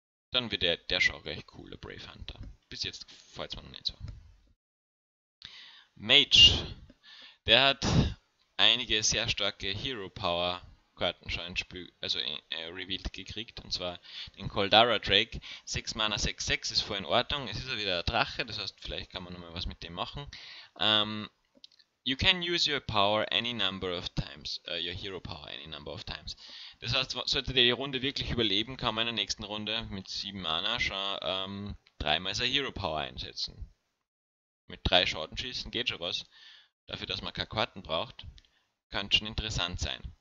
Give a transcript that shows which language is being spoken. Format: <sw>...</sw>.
<de>Dann wird der schon recht cool, der Brave Hunter. Bis jetzt gefällt es mir noch nicht so. Mage. Der hat einige sehr starke Hero Power Karten schon ins Spiel, also revealed gekriegt. Und zwar den Kol'Dara Drake. 6 Mana, 6-6 ist voll in Ordnung. Es ist ja wieder ein Drache, das heißt, vielleicht kann man nochmal was mit dem machen.</de> <en>You can use your power any number of times, your hero power any number of times.</en> <de>Das heißt, sollte der die Runde wirklich überleben, kann man in der nächsten Runde mit 7 Mana schon dreimal seine Hero Power einsetzen. Mit 3 Schaden schießen geht schon was. Dafür, dass man keine Karten braucht, kann schon interessant sein.</de>